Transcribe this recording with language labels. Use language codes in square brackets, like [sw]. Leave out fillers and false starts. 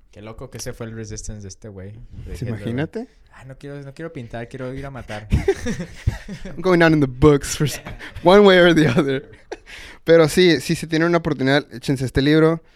[es] Qué loco que se fue el resistance de este güey. Imagínate. Ah, no quiero pintar, quiero ir a matar. [en] I'm going down in the books for one way or the other. [es] Pero sí, si se tiene una oportunidad, échense este libro.